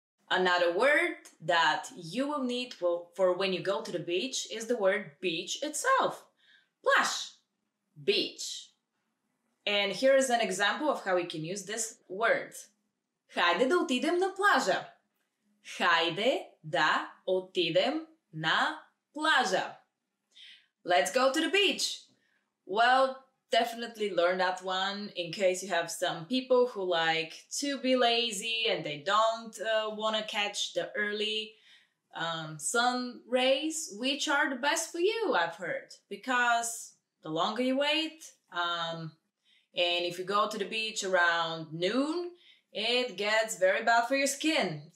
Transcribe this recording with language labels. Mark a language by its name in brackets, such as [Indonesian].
[English] Another word that you will need for when you go to the beach is the word beach itself. Plus, beach. And here is an example of how we can use this word. [Bulgarian] Хайде да отидем на плажа. Хайде да отидем на плажа. [English] Let's go to the beach. Well, definitely learn that one in case you have some people who like to be lazy and they don't want to catch the early sun rays, which are the best for you, I've heard. Because the longer you wait, and if you go to the beach around noon, it gets very bad for your skin.